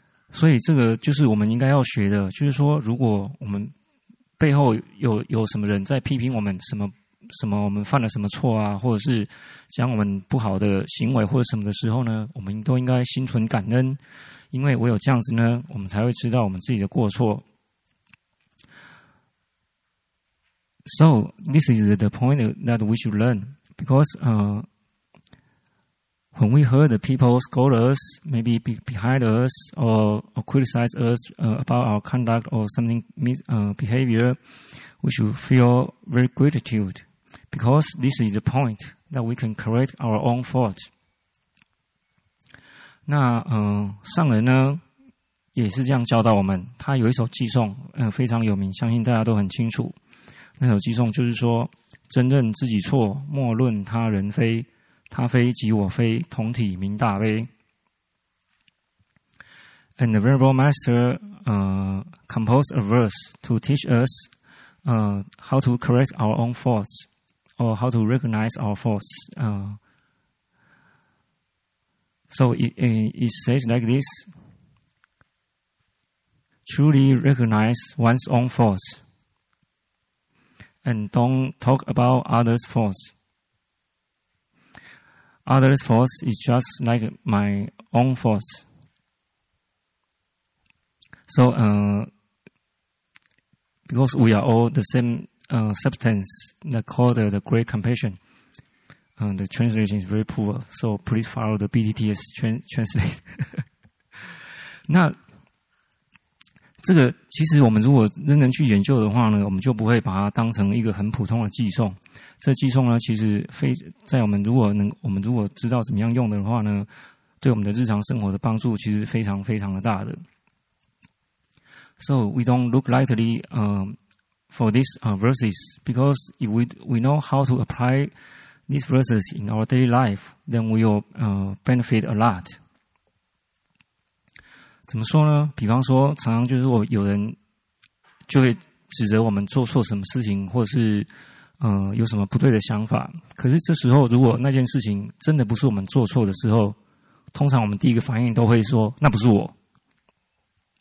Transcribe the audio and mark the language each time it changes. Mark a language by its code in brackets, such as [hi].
[zh] 所以这个就是我们应该要学的，就是说如果我们背后有什么人在批评我们什么什么，我们犯了什么错啊，或者是讲我们不好的行为或者什么的时候呢，我们都应该心存感恩，因为唯有这样子呢，我们才会知道我们自己的过错。 [en] So this is the point that we should learn, because when we heard the people scold us, maybe behind us, or criticize us about our conduct or something behavior, we should feel very gratitude, because this is the point that we can correct our own fault. [zh] 那上人呢也是这样教导我们，他有一首偈颂非常有名，相信大家都很清楚。那首偈颂就是说，真认自己错，莫论他人非。他非即我非，同体名大悲。 [en] And the Venerable Master composed a verse to teach us how to correct our own faults, or how to recognize our faults. So it says like this: truly recognize one's own faults, and don't talk about others' faults. Others' faults is just like my own faults. So, because we are all the same substance, that called the great compassion. The translation is very poor, so please follow the BTTS translate. [zh] 那这个其实我们如果认真去研究的话呢，我们就不会把它当成一个很普通的偈颂。这偈颂呢，其实非在我们如果能，我们如果知道怎么样用的话呢，对我们的日常生活的帮助其实非常非常的大的。 [en] So we don't look lightly for these verses, because if we know how to apply these verses in our daily life, then we will benefit a lot. [zh] 怎么说呢？比方说，常常就是我有人就会指责我们做错什么事情，或者是有什么不对的想法。可是这时候，如果那件事情真的不是我们做错的时候，通常我们第一个反应都会说：“那不是我。”